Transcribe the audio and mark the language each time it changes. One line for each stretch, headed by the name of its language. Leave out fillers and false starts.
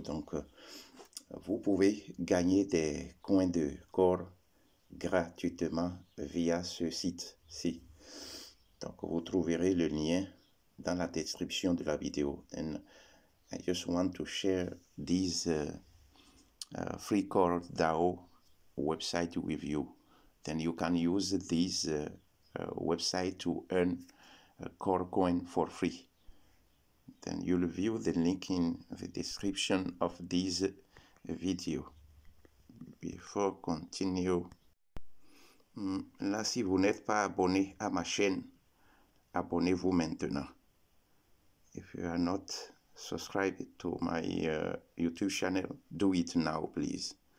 French: Donc, vous pouvez gagner des coins de corps gratuitement via ce site-ci. Donc, vous trouverez le lien dans la description de la vidéo.
English: And I just want to share this FreeCorps DAO website with you. Then you can use this website to earn core coin for free. Then you'll view the link in the description of this video. Before continue,
French: là, si vous n'êtes pas abonné à ma chaîne, abonnez-vous maintenant.
English: If you are not subscribed to my YouTube channel, do it now, please.